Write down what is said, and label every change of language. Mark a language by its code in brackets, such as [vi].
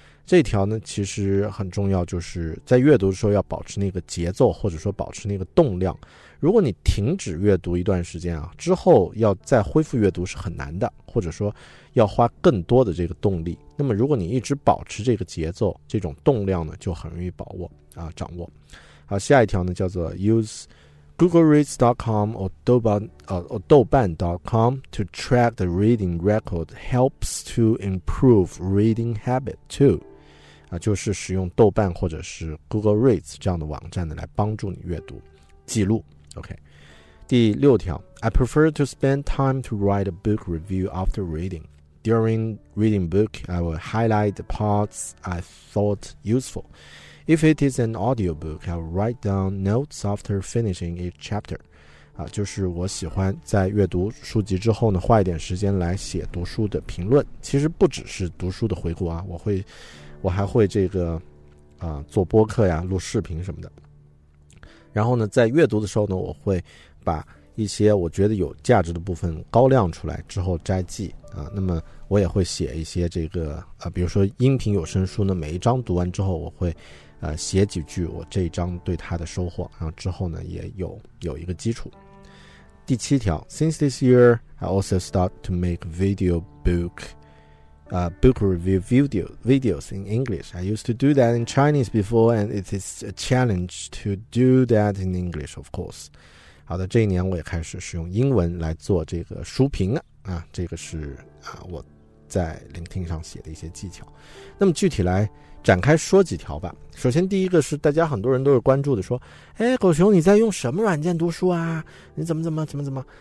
[zh] 这条呢其实很重要，就是在阅读的时候要保持那个节奏，或者说保持那个动量。如果你停止阅读一段时间啊，之后要再恢复阅读是很难的，或者说要花更多的这个动力。那么如果你一直保持这个节奏，这种动量呢就很容易掌握。好，下一条呢叫做 [en] use googlereads.com or 豆瓣.com to track the reading record helps to improve reading habit too. [zh] 就是使用豆瓣或者是 Google Reads 这样的网站来帮助你阅读记录。 [en] OK， [zh] 第六条 [en] I prefer to spend time to write a book review after reading. During reading book, I will highlight the parts I thought useful. If it is an audiobook, I will write down notes after finishing each chapter. [zh] 就是我喜欢在阅读书籍之后呢花一点时间来写读书的评论。其实不只是读书的回顾啊，我还会这个做播客呀，录视频什么的。然后呢在阅读的时候呢，我会把一些我觉得有价值的部分高亮出来之后摘记啊。那么我也会写一些这个比如说音频有声书呢，每一章读完之后我会写几句我这一章对他的收获，然后之后呢也有一个基础。第七条 [en] Since this year, I also start to make video book review videos in English. I used to do that in Chinese before, and it is a challenge to do that in English, of course. [zh] 好的，这一年我也开始使用英文来做这个书评了啊，这个是我在聆听上写的一些技巧。那么具体来展开说几条吧。首先第一个是大家很多人都是关注的，说哎，狗熊你在用什么软件读书啊，你怎么。